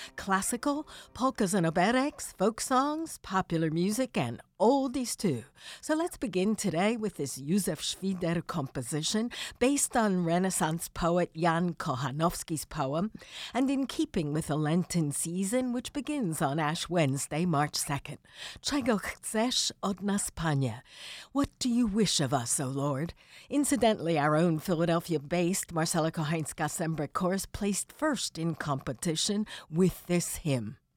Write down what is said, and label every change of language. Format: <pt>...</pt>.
<en>Classical, polkas and oberecks, folk songs, popular music, and oldies too. So let's begin today with this Józef Świder composition based on Renaissance poet Jan Kochanowski's poem and in keeping with the Lenten season, which begins on Ash Wednesday, March 2nd.</en> <pl>Czego chcesz od nas, Panie?</pl> <en>What do you wish of us, O Lord? Incidentally, our own Philadelphia-based Marcela Kochańska-Sembrich Chorus placed first in competition with this hymn.</en>